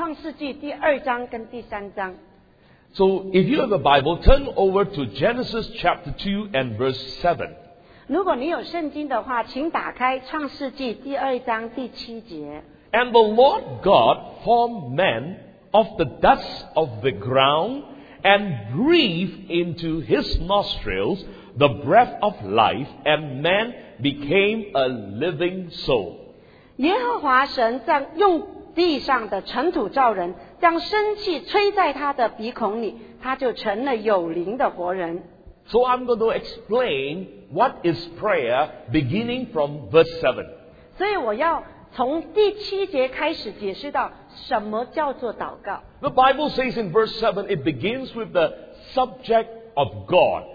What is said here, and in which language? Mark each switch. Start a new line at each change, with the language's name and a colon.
Chinese: 所以我们要讲到创世纪第二章跟第三章。
English: So if you have a Bible, turn over to Genesis chapter 2 and verse 7.
Chinese: 如果你有圣经的话, 请打开创世纪第二章第七节。
English: And the Lord God formed man of the dust of the ground and breathed into his nostrils the breath of life, and man became a living soul.
Chinese: 耶和华神用地上的尘土造人, 将生气吹在他的鼻孔里, 他就成了有灵的活人。
English: So I'm going to explain what is prayer beginning from verse 7.
Chinese: 所以我要 从第七节开始解释到什么叫做祷告。
English: The Bible says in verse 7, it begins with the subject of God.